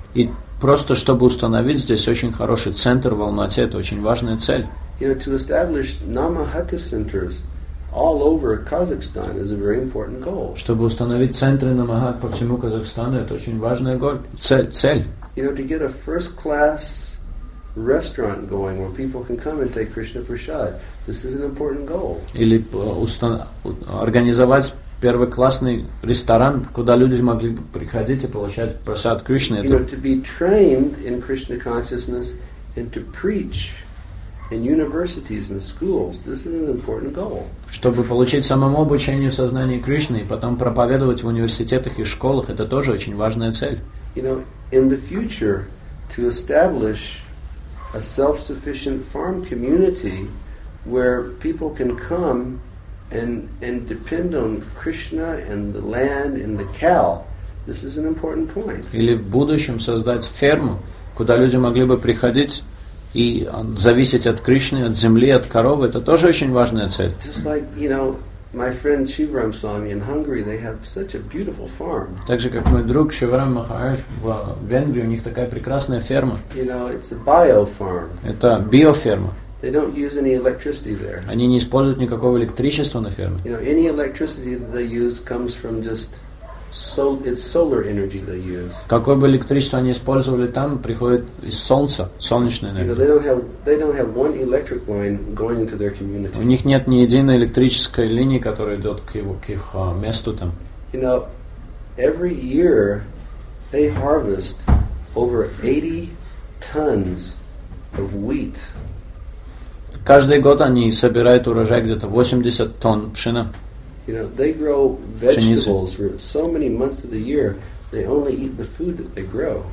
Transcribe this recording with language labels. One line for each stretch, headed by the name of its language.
Russian: И просто чтобы установить здесь очень хороший центр в Алмате, это очень важная цель.
English: You know, to establish Namahata centers all over Kazakhstan is a very important goal.
Russian: Чтобы установить центры Намахат по всему Казахстану, это очень важная цель.
English: You know, to get a first-class restaurant going where people can come and take Krishna prasad. This is an important goal.
Russian: Или организовать первоклассный ресторан, куда люди могли бы приходить и получать просад Кришны.
English: You know, to be trained in Krishna consciousness and to preach in universities and schools, this is an important goal.
Russian: Чтобы получить самому обучение в сознании Кришны и потом проповедовать в университетах и школах, это тоже очень важная цель.
English: You know, in the future, to establish a self-sufficient farm community where people can come and depend on Krishna and the land and the cow. This is an important point.
Russian: Или в будущем создать ферму, куда люди могли бы приходить и зависеть от Кришны, от земли, от коровы. Это тоже очень важная цель.
English: Just like, you know, my friend Shivaram Swami in Hungary, they have such a beautiful farm.
Russian: Так же, как мой друг Шиварам Махарадж в Венгрии, у них такая прекрасная ферма.
English: You know, it's a bio farm.
Russian: Это биоферма.
English: They don't use any electricity there.
Russian: Они не используют никакого электричества на ферме.
English: You know, any electricity that they use comes from just it's solar energy they use.
Russian: Какое бы электричество они использовали там, приходит из солнца, солнечная энергия.
English: You know, they don't have one electric line going into their community.
Russian: У них нет ни единой электрической линии, которая идет к их месту там.
English: You know, every year they harvest over 80 tons of wheat.
Russian: Каждый год они собирают урожай где-то 80 тонн пшена.
English: You know, they grow vegetables for so many months of the year. They only eat the food that they grow.